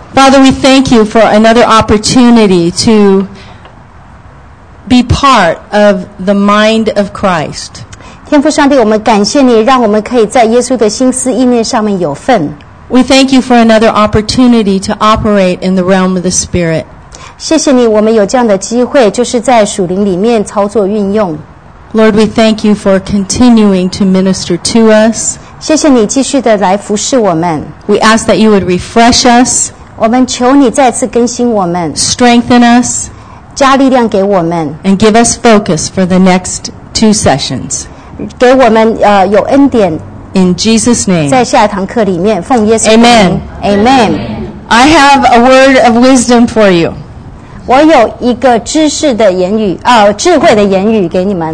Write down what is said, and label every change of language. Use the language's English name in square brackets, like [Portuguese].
[English] Father, we thank you for another opportunity to be part of the mind of Christ. [Chinese] 天父上帝，我们感谢你，让我们可以在耶稣的心思意念上面有份。 [English] We thank you for another opportunity to operate in the realm of the Spirit. [Chinese] 谢谢你，我们有这样的机会，就是在属灵里面操作运用。 [English] Lord, we thank you for continuing to minister to us. [Chinese] 谢谢你继续的来服侍我们。 [English] We ask that you would refresh us. [Chinese] 我们求你再次更新我们。 [English] Strengthen us. [Chinese] 加力量给我们。 [English] And give us focus for the next two sessions. [Chinese] 给我们有恩典。 [English] In Jesus' name. [Chinese] 在下一堂课里面，奉耶稣的名。 [English] Amen. Amen. I have a word of wisdom for you. [Chinese] 我有一个知识的言语，智慧的言语给你们。